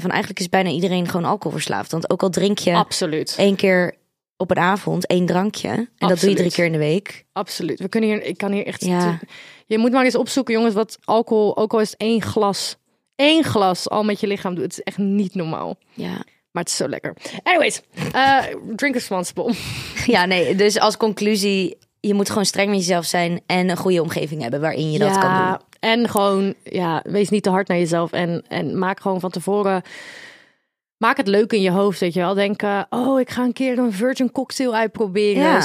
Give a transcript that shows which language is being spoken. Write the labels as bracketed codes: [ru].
[nl] Van eigenlijk is bijna iedereen gewoon alcoholverslaafd. Want ook al drink je... Absoluut. 1 keer op een avond, 1 drankje. En absoluut, dat doe je 3 keer in de week. Absoluut. We kunnen hier... Ik kan hier echt... Ja. Je moet maar eens opzoeken, jongens, wat alcohol... Ook al is 1 glas. 1 glas al met je lichaam doet. Het is echt niet normaal. Ja. Maar het is zo lekker. [en] Anyways, drink responsible. [nl] Ja, nee, dus als conclusie, je moet gewoon streng met jezelf zijn en een goede omgeving hebben waarin je dat kan doen. Ja, en gewoon, ja, wees niet te hard naar jezelf en maak gewoon van tevoren, maak het leuk in je hoofd, dat je wel denken, oh, ik ga een keer een virgin cocktail uitproberen.